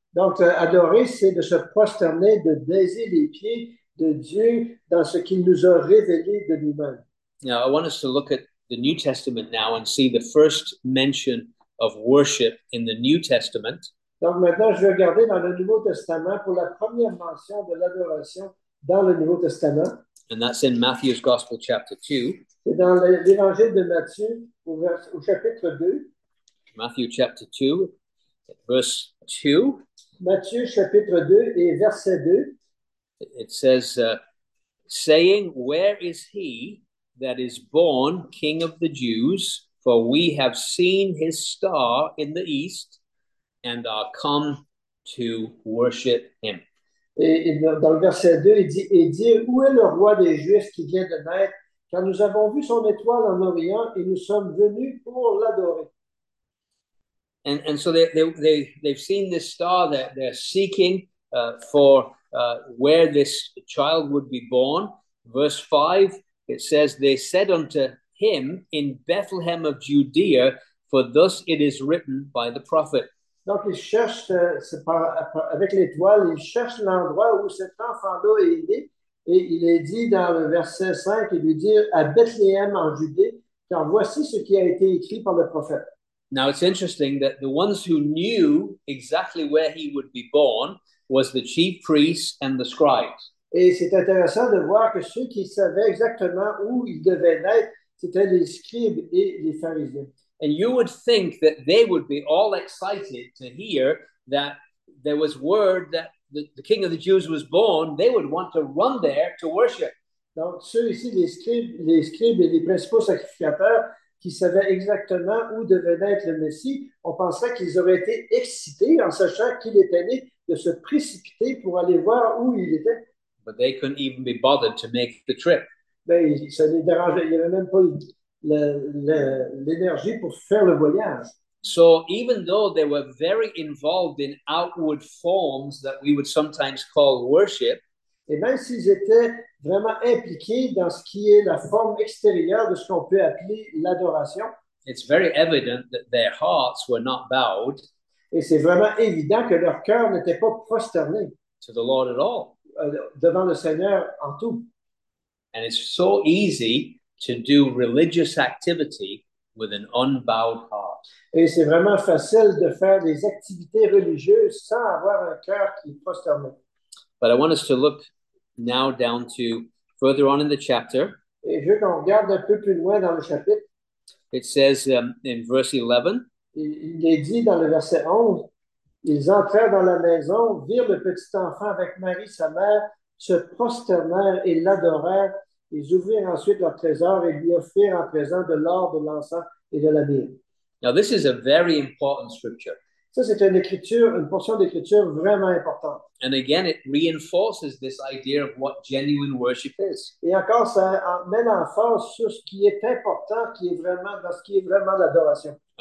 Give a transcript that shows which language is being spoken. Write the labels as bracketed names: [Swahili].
[French] Donc, adorer, c'est de se prosterner, de baiser les pieds de Dieu dans ce qu'il nous a révélé de lui-même. [English] Now, I want us to look at the New Testament now and see the first mention of worship in the New Testament. [French] Donc, maintenant, je vais regarder dans le Nouveau Testament pour la première mention de l'adoration dans le Nouveau Testament. [English] And that's in Matthew's Gospel, chapter 2. [French] C'est dans l'Évangile de Matthieu, au chapitre 2. [English] Matthew, chapter 2, verse 2. [French] Matthieu, chapitre 2 et verset 2. [English] It says, saying, where is he that is born king of the Jews? For we have seen his star in the east and are come to worship him. [French] Et dans le verset 2, il dit, et dire, où est le roi des Juifs qui vient de naître? Car nous avons vu son étoile en Orient et nous sommes venus pour l'adorer. [English] And so they've seen this star that they're seeking for where this child would be born. Verse 5, it says, they said unto him, in Bethlehem of Judea, for thus it is written by the prophet. [French] Donc ils cherchent avec l'étoile, ils cherchent l'endroit où cet enfant-là est né, et il est dit dans le verset 5, il lui dit à Bethléem en Judée, car voici ce qui a été écrit par le prophète. [English] Now it's interesting that the ones who knew exactly where he would be born was the chief priests and the scribes. [French] Et c'est intéressant de voir que ceux qui savaient exactement où il devait naître, c'était les scribes et les pharisiens. [English] And you would think that they would be all excited to hear that there was word that the king of the Jews was born. They would want to run there to worship. [French] Donc, ceux ici, les scribes et les principaux sacrificateurs qui savaient exactement où devait naître le Messie, on pensait qu'ils auraient été excités en sachant qu'il était né de se précipiter pour aller voir où il était. [English] But they couldn't even be bothered to make the trip. [French] Mais ça les dérangeait, il n'y avait même pas eu l'énergie pour faire le voyage. [English] So even though they were very involved in outward forms that we would sometimes call worship, [French] et même s'ils étaient vraiment impliqués dans ce qui est la forme extérieure de ce qu'on peut appeler l'adoration, [English] it's very evident that their hearts were not bowed, [French] et c'est vraiment évident que leur cœur n'était pas prosterné [English] to the Lord at all, [French] devant le Seigneur en tout. [English] And it's so easy to do religious activity with an unbowed heart. [French] Et c'est vraiment facile de faire des activités religieuses sans avoir un cœur qui est prosterné. [English] But I want us to look now down to further on in the chapter. [French] Et je veux qu'on regarde un peu plus loin dans le chapitre. [English] It says in verse 11. [French] Il est dit dans le verset 11, ils entrèrent dans la maison, virent le petit enfant avec Marie, sa mère, se prosternèrent et l'adorèrent. Ils ouvrirent ensuite leur trésor et lui offrirent en présent de l'or, de l'encens et de la myrrhe. [English] Now, this is a very important scripture. [French] Ça, c'est une portion d'écriture vraiment importante. [English] And again, it reinforces this idea of what genuine worship is. [French] Et encore, ça met en force sur ce qui est important, qui est vraiment, dans ce qui est vraiment l'adoration.